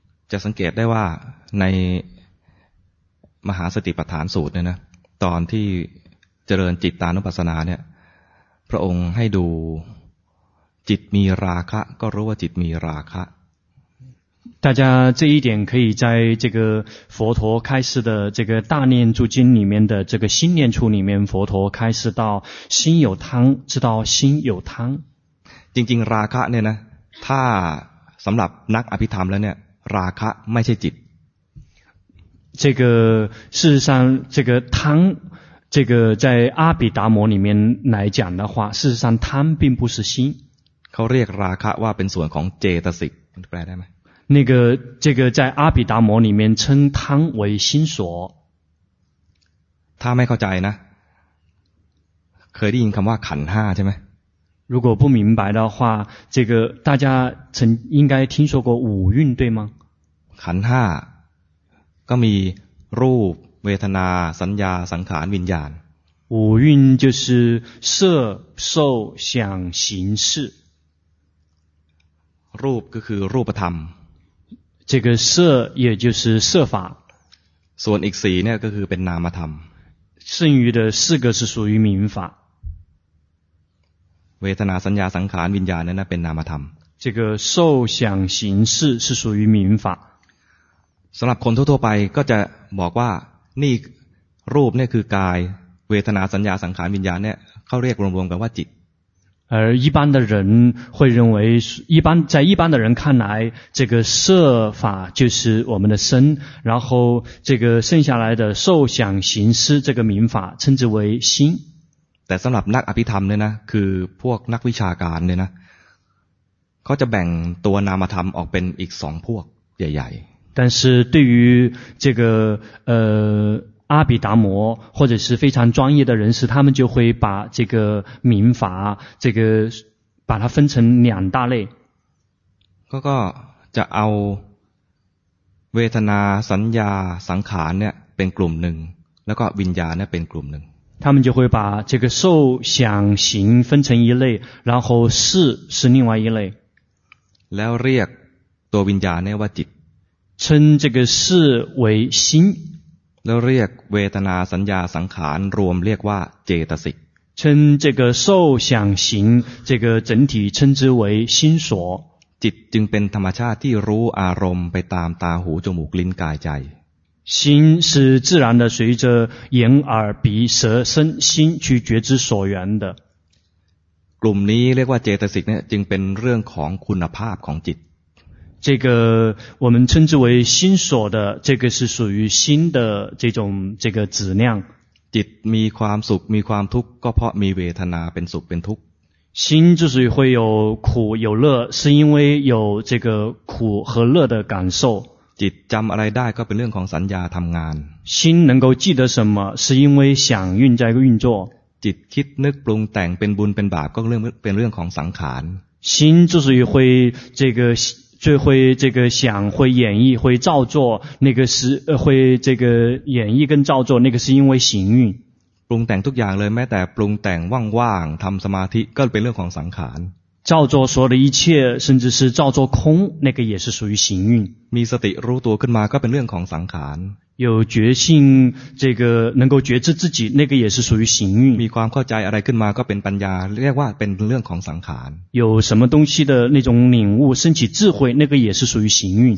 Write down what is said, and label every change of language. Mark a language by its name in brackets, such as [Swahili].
[Thai] จะสังเกตได้ว่าในมหาสติปัฏฐานสูตรเนี่ยนะตอนที่เจริญจิตตานุปัสสนาเนี่ยพระองค์ให้ดูจิตมีราคะก็รู้ว่าจิตมีราคะ [Chinese] 大家这一点可以在这个佛陀开示的这个大念住经里面的这个心念处里面佛陀开示到心有贪知道心有贪 [Thai] จริงๆราคะเนี่ยนะถ้าสำหรับนักอภิธรรมแล้วเนี่ยราคะไม่ใช่จิต [Chinese] 这个事实上这个贪这个在阿毗达摩里面来讲的话事实上贪并不是心 [Thai] เขาเรียกราคะว่าเป็นส่วนของเจตสิกแปลได้ไหม [Chinese] 那个这个在阿毗达摩里面称贪为心所 [Thai] ถ้าไม่เข้าใจนะเคยได้ยินคำว่าขันห้าใช่ไหม [Chinese] 如果不明白的话，这个大家曾应该听说过五蕴对吗？ [Thai] ขันห้าก็มีรูปเวทนาสัญญาสังขารวิญญาณ [Chinese] 五蕴就是色受想行识 [Thai] รูปก็คือรูปธรรม [Chinese] 这个色也就是色法 [Thai] ส่วนอีกสี่เนี่ยก็คือเป็นนามธรรม [Chinese] 剩余的四个是属于名法 [Thai] เวทนาสัญญาสังขารวิญญาณนั้นเป็นนามธรรม [Chinese] 这个受想行识是属于名法 [Thai] สำหรับคนทั่วไปก็จะบอกว่านี่รูปเนี่ยคือกายเวทนาสัญญาสังขารวิญญาณเนี่ยเขาเรียกรวมๆกันว่าจิต [Chinese] 而一般的人会认为一般在一般的人看来这个色法就是我们的身然后这个剩下来的受想行识这个名法称之为心 [Thai] แต่สำหรับนักอภิธรรมเนี่ยนะคือพวกนักวิชาการเนี่ยนะเขาจะแบ่งตัวนามธรรมออกเป็นอีกสองพวกใหญ่ [Chinese] ๆ但是对于这个阿毗达摩或者是非常专业的人士他们就会把这个名法这个把它分成两大类 [Thai] ก็จะเอาเวทนาสัญญาสังขารเนี่ยเป็นกลุ่มหนึ่งแล้วก็วิญญาณเนี่ยเป็นกลุ่มหนึ่ง [Chinese] 他们就会把这个受想行分成一类然后识是另外一类 [Thai] แล้วเรียกตัววิญญาณเนี่ยว่าจิต [Chinese] 称这个识为心 [Thai] แล้วเรียกเวทนาสัญญาสังขารรวมเรียกว่าเจตสิก [Chinese] 称这个受想行这个整体称之为心所 [Thai] จิตจึงเป็นธรรมชาติที่รู้อารมณ์ไปตามตาหูจมูกลิ้นกายใจ [Chinese] 心是自然的随着眼耳鼻舌身心去觉知所缘的 [Thai] กลุ่มนี้เรียกว่าเจตสิกเนี่ยจึงเป็นเรื่องของคุณภาพของจิต [Chinese] 这个我们称之为心所的这个是属于心的这种这个质量 [Thai] จิตมีความสุขมีความทุกข์ก็เพราะมีเวทนาเป็นสุขเป็นทุกข์ [Chinese] 心之所以会有苦有乐是因为有这个苦和乐的感受 [Thai] จิตจำอะไรได้ก็เป็นเรื่องของสัญญาทำงาน [Chinese] 心能够记得什么是因为想运在运作 [Thai] จิตคิดนึกปรุงแต่งเป็นบุญเป็นบาปก็เป็นเรื่องของสังขาร [Chinese] 心之所以会这个最会这个想会演绎会造作那个是会这个演绎跟造作那个是因为行运 [Thai] ปรุงแต่งทุกอย่างเลยแม้แต่ปรุงแต่งว่างๆทำสมาธิก็เป็นเรื่องของสังขาร [Chinese] 造作所有的一切甚至是造作空那个也是属于行运 [Thai] มีสติรู้ตัวขึ้นมาก็เป็นเรื่องของสังขาร [Chinese] 有觉性这个能够觉知自己那个也是属于行运 [Thai] มีความเข้าใจอะไรขึ้นมาก็เป็นปัญญาเรียกว่าเป็นเรื่องของสังขาร [Chinese] 有什么东西的那种领悟升起智慧那个也是属于行运